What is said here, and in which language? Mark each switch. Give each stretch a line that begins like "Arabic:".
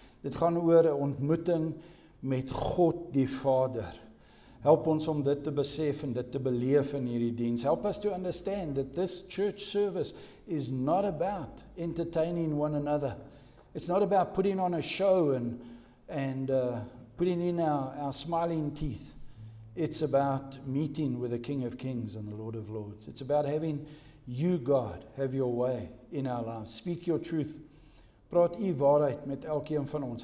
Afrikaans: Dit gaan oor 'n ontmoeting met God die Vader. Help ons om dit te besef en dit te beleef in hierdie diens.
English: Help us to understand that this church service is not about entertaining one another. It's not about putting on a show and putting in our smiling teeth. It's about meeting with the King of Kings and the Lord of Lords. It's about having you, God, have your way in our lives. Speak your truth.
Afrikaans: Praat u waarheid met elkeen van ons.